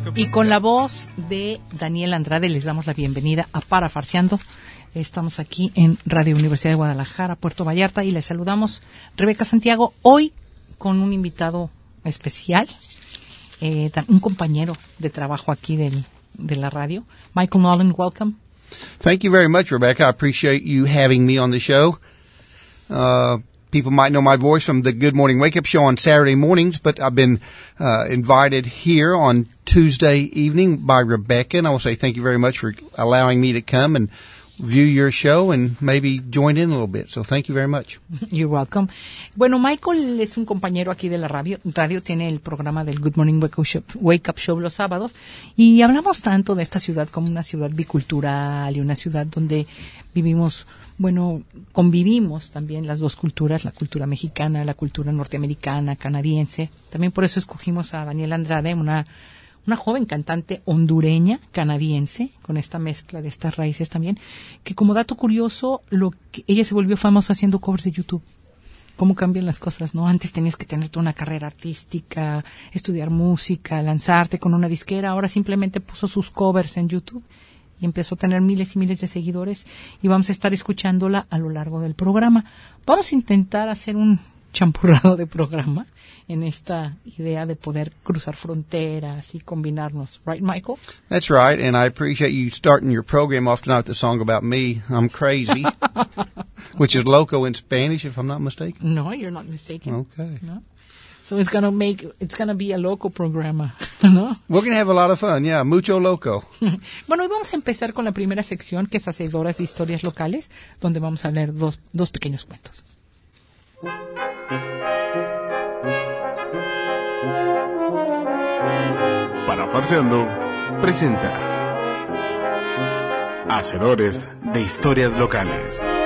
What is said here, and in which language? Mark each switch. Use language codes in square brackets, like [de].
[es] Con la voz de Daniel Andrade les damos la bienvenida a Parafarseando. Estamos aquí en Radio Universidad de Guadalajara, Puerto Vallarta, y les saludamos Rebeca Santiago, hoy con un invitado especial, un compañero de trabajo aquí de la radio, Michael Nolan, welcome. [en] Thank you very much, Rebecca. I appreciate you having me on the show. People might know my voice from the Good Morning Wake Up Show on Saturday mornings, but I've been invited here on Tuesday evening by Rebecca, and I will say thank you very much for allowing me to come and view your show and maybe join in a little bit. So thank you very much. You're welcome. [es] Bueno, Michael es un compañero aquí de la radio. Radio tiene el programa del Good Morning Wake Up Show los sábados. Y hablamos tanto de esta ciudad como una ciudad bicultural y una ciudad donde vivimos, bueno, convivimos también las dos culturas, la cultura mexicana, la cultura norteamericana, canadiense. También por eso escogimos a Daniela Andrade, una joven cantante hondureña, canadiense, con esta mezcla de estas raíces también, que como dato curioso, ella se volvió famosa haciendo covers de YouTube. ¿Cómo cambian las cosas, no? Antes tenías que tener toda una carrera artística, estudiar música, lanzarte con una disquera. Ahora simplemente puso sus covers en YouTube y empezó a tener miles y miles de seguidores. Y vamos a estar escuchándola a lo largo del programa. Vamos a intentar hacer un champurrado de programa en esta idea de poder cruzar fronteras y combinarnos. [en] Right, Michael? That's right, and I appreciate you starting your program off tonight with a song about me, I'm Crazy, which is loco in Spanish, if I'm not mistaken. No, you're not mistaken. Okay. [es] No? So it's gonna be a loco programa, ¿no? [en] We're gonna have a lot of fun, yeah, mucho loco. [es] Bueno, hoy vamos a empezar con la primera sección, que es Hacedoras de Historias Locales, donde vamos a leer dos pequeños cuentos. Parafarseando presenta Hacedores de Historias Locales.